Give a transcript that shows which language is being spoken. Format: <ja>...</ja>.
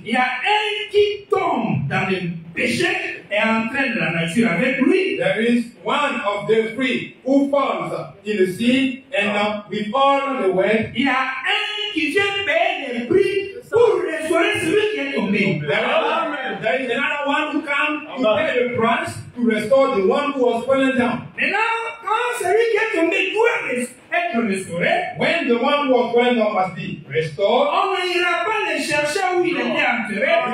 <fr>Il y a un qui tombe dans le péché et entraîne la nature avec lui.</fr> <en>There is one of the three who falls in the sea and with all the world.</en> <fr>Il y a un qui vient payer le prix pour restaurer celui qui est tombé.</fr> <en>There is another one who comes to pay the price to restore the one who was fallen down.</en> <fr>Mais là, quand celui qui est tombé doit être restauré,</fr> <en>when the one who was fallen down must be restored,</en> <fr>on n'ira pas le chercher où il était enterré.</fr>